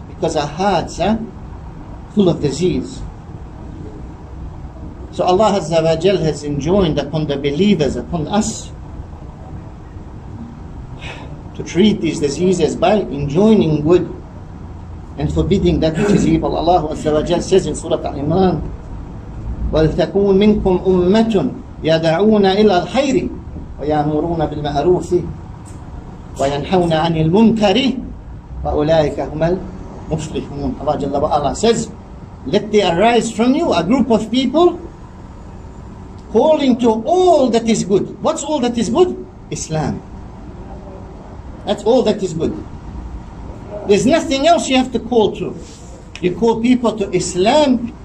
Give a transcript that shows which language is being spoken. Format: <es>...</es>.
<en>Because our hearts are full of disease. So Allah Azza wa Jal has enjoined upon the believers, upon us, to treat these diseases by enjoining good and forbidding that which is evil. Allah Azza wa Jal says in Surah Al-Imran,</en> <ar>وَلْتَكُونَ مِنْكُمْ أُمَّةٌ يَدَعُونَ إِلَى الْخَيْرِ وَيَأْمُرُونَ بِالْمَعْرُوفِ وَيَنْحَوْنَ عَنِ الْمُنْكَرِ وَأُولَٰئِكَ هُمَ الْمُفْلِحُونَ.</ar> <en>Allah Jalla wa Ala says, let there arise from you a group of people calling to all that is good. What's all that is good? Islam. That's all that is good. There's nothing else you have to call to. You call people to Islam.</en>